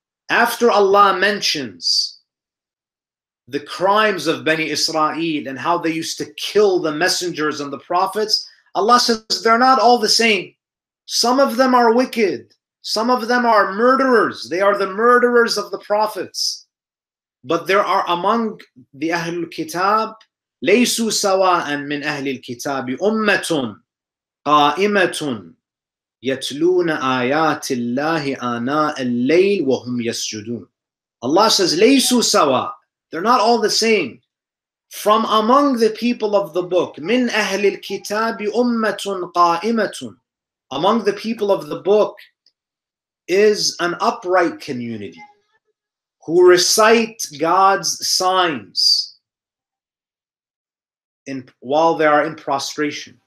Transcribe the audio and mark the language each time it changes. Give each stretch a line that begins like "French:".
English: After Allah mentions the crimes of Bani Israel and how they used to kill the messengers and the prophets, Allah says, they're not all the same. Some of them are wicked. Some of them are murderers. They are the murderers of the prophets. But there are among the Ahlul Kitab,
Arabic: لَيْسُوا سَوَاءً مِنْ أَهْلِ الْكِتَابِ أُمَّةٌ قَائِمَةٌ يَتْلُونَ آيَاتِ اللَّهِ آنَاءَ اللَّيْلِ وَهُمْ يَسْجُدُونَ.
English: Allah says,
Arabic: لَيْسُوا سَوَاءً.
English: They're not all the same. From among the people of the book,
Arabic: مِنْ أَهْلِ الْكِتَابِ أُمَّةٌ قَائِمَةٌ.
English: Among the people of the book is an upright community who recite God's signs in while they are in prostration.